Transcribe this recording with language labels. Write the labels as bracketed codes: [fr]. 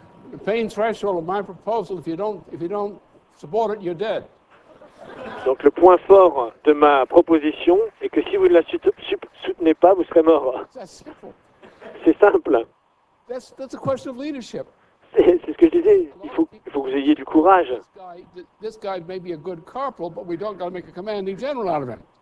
[en] The pain threshold of my proposal, if you don't support it, you're dead. [fr] Donc le point fort de ma proposition est que si vous ne la soutenez pas, vous serez mort. C'est simple. [en] That's a question of leadership. [fr] C'est ce que je disais, il faut que vous ayez du courage. [en] This guy may be a good corporal, but we don't got to make a commanding general out of him.